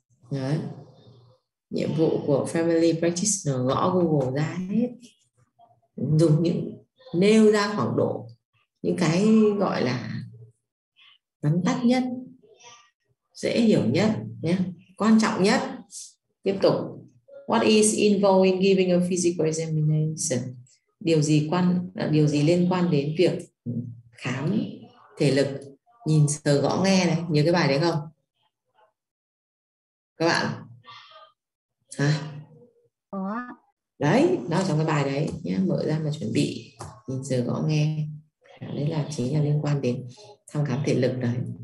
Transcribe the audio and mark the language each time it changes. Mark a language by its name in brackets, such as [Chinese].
[Vietnamese] Đấy, nhiệm vụ của family practitioner gõ Google ra hết, dùng những nêu ra khoảng độ những cái gọi là vắn tắt nhất, dễ hiểu nhất nhé, quan trọng nhất. Tiếp tục, [English] what is involved in giving a physical examination? [Vietnamese] Điều gì điều gì liên quan đến việc khám thể lực, nhìn sờ gõ nghe này, nhớ cái bài đấy không các bạn? À, Có. đấy, nó trong cái bài đấy nhé, mở ra mà chuẩn bị nhìn giờ gõ nghe đấy, là chính là liên quan đến thăm khám thể lực đấy.